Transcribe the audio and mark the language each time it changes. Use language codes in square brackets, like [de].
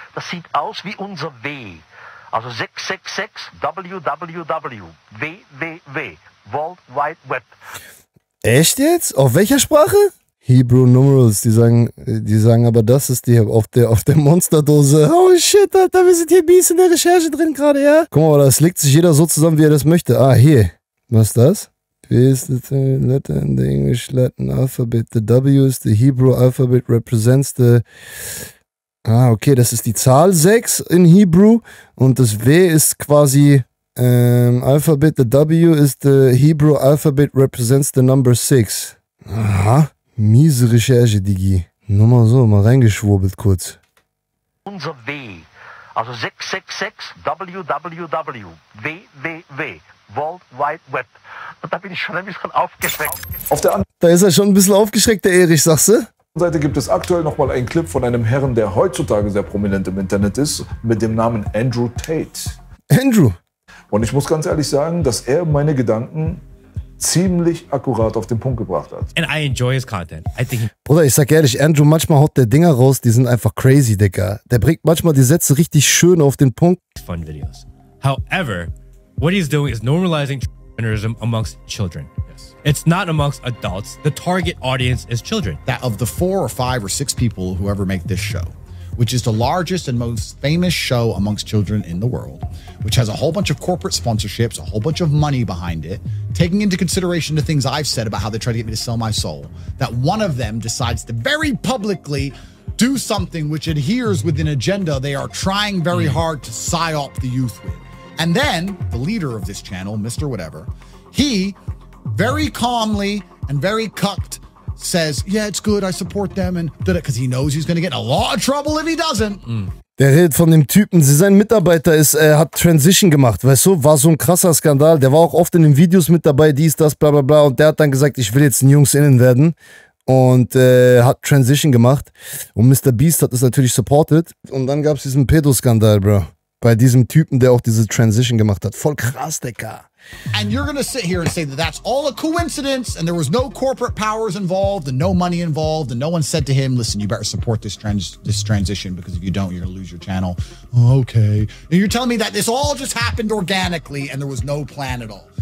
[de] Das sieht aus wie unser W. Also 666 www. www. World Wide Web. Echt jetzt? Auf welcher Sprache? Hebrew Numerals, die sagen aber, das ist die auf der Monsterdose. Oh shit, Alter, wir sind hier Biest in der Recherche drin gerade, ja? Guck mal, das legt sich jeder so zusammen, wie er das möchte. Ah, hier. Was ist das? [en] P is the letter in the English Latin alphabet. The W is the Hebrew alphabet, represents the... [de] Ah, okay, das ist die Zahl 6 in Hebrew und das W ist quasi... [en] Alphabet, the W is the Hebrew alphabet, represents the number 6. [de] Aha. Miese Recherche, Digi. Nur mal so, mal reingeschwurbelt kurz. Unser W. Also 666 www. www. World Wide Web. Und da bin ich schon ein bisschen aufgeschreckt. Auf der anderen. Da ist er schon ein bisschen aufgeschreckt, der Erich, sagst du? Auf der Seite gibt es aktuell nochmal einen Clip von einem Herren, der heutzutage sehr prominent im Internet ist, mit dem Namen Andrew Tate. Andrew? Und ich muss ganz ehrlich sagen, dass er meine Gedanken ziemlich akkurat auf den Punkt gebracht hat. [en] And I enjoy his content. I think [de] Bruder, ich sag ehrlich, Andrew, manchmal haut der Dinger raus, die sind einfach crazy, Digga. Der bringt manchmal die Sätze richtig schön auf den Punkt. [en] Fun videos. However, what he's doing is normalizing transgenderism amongst children. Yes. It's not amongst adults. The target audience is children. That of the 4 or 5 or 6 people who ever make this show, which is the largest and most famous show amongst children in the world, which has a whole bunch of corporate sponsorships, a whole bunch of money behind it, taking into consideration the things I've said about how they try to get me to sell my soul, that one of them decides to very publicly do something which adheres with an agenda they are trying very hard to psyop the youth with. And then the leader of this channel, Mr. Whatever, he very calmly and very cucked says, yeah, it's good, I support them, and did it, because he knows he's going to get in a lot of trouble if he doesn't. Mm. [de] Der redet von dem Typen, sein Mitarbeiter hat Transition gemacht, weißt du, war so ein krasser Skandal, der war auch oft in den Videos mit dabei, dies, das, bla bla bla, und der hat dann gesagt, ich will jetzt ein JungsInnen werden und hat Transition gemacht und Mr. Beast hat das natürlich supported und dann gab es diesen Pedo-Skandal, bro, bei diesem Typen, der auch diese Transition gemacht hat, voll krass, Decker. [en] And you're going to sit here and say that that's all a coincidence and there was no corporate powers involved and no money involved and no one said to him, listen, you better support this transition because if you don't, you're going to lose your channel. Okay. And you're telling me that this all just happened organically and there was no plan at all.